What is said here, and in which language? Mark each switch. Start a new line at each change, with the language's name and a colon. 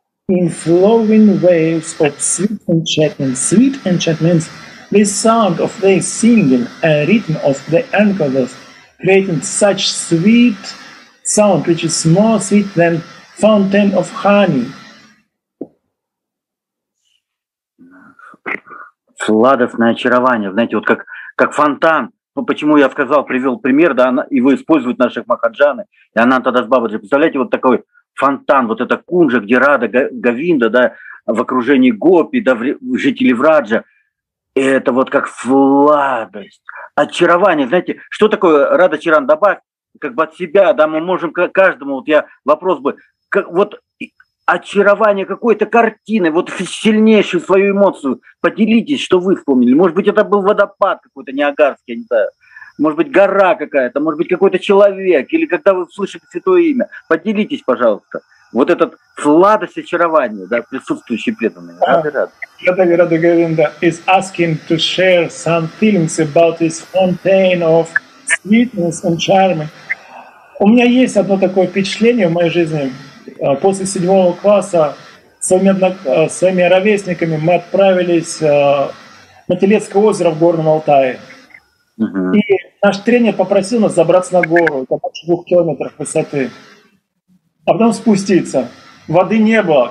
English: in flowing waves of sweet enchantment. Sweet enchantments, the sound of their singing and rhythm of the encores creating such sweet sound, which is more sweet than fountain of honey.
Russian: Сладостное очарование, знаете, вот как фонтан. Ну, почему я сказал, привел пример, да, его используют наши махаджаны, и Ананта Дас Бабаджи. Представляете, вот такой фонтан, вот эта кунжа, где Рада, Говинда, да, в окружении гопи, да, жители Враджа. И это вот как сладость, очарование. Знаете, что такое Рада Чаран? Добавь как бы от себя, да, мы можем каждому, вот я вопрос бы, как, вот очарование какой-то картины, вот сильнейшую свою эмоцию. Поделитесь, что вы вспомнили. Может быть, это был водопад какой-то Ниагарский, не знаю. Может быть, гора какая-то, может быть, какой-то человек. Или когда вы слышите святое имя. Поделитесь, пожалуйста. Вот эта сладость очарования, да, присутствующие преданные. Рады-рады.
English: Рады-рады Говинда is asking to share some feelings about this fountain of sweetness and charm.
Russian: У меня есть одно такое впечатление в моей жизни. После седьмого класса своими ровесниками мы отправились на Телецкое озеро в Горном Алтае. Uh-huh. И наш тренер попросил нас забраться на гору, это больше 2 километров высоты, а потом спуститься. Воды не было.